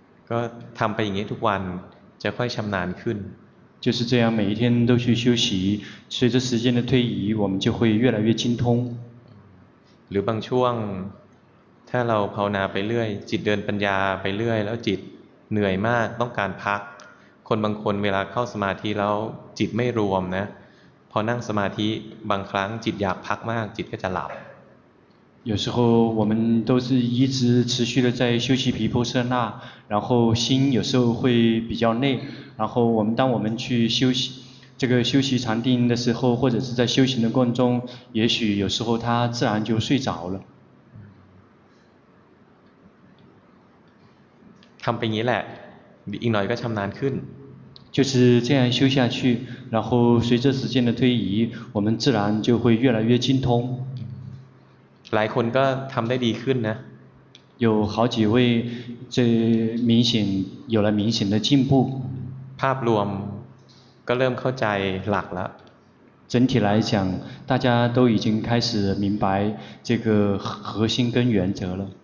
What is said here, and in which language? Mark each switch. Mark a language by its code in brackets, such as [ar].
[th] ก็ทำไปอย่างนี้ทุกวันจะค่อยชำนาญขึ้น [zh] 就是这样，每一天都去修习，随着时间的推移，我们就会越来越精通。 [th] หรือบางช่วงถ้าเราภาวนาไปเรื่อยจิตเดินปัญญาไปเรื่อยแล้วจิตเหนื่อยมากต้องการพักคนบางคนเวลาเข้าสมาธิแล้วจิตไม่รวมนะพอนั่งสมาธิบางครั้งจิตอยากพักมากจิตก็จะหลับ [zh] 有时候我们都是一直持续的在修习毗婆舍那然后心有时候会比较累然后我们当我们去修习这个修习禅定的时候或者是在修行的过程中也许有时候他自然就睡着了 [th] ทำไปงี้แหละอีกหน่อยก็ชำนาญขึ้น [zh] 就是这样修下去然后随着时间的推移我们自然就会越来越精通 [th] หลายคนก็ทำได้ดีขึ้นนะ [zh] 有好几位这明显有了明显的进步 [th] ภาพรวมก็เริ่มเข้าใจหลักแล้ว [zh] 整体来讲大家都已经开始明白这个核心跟原则了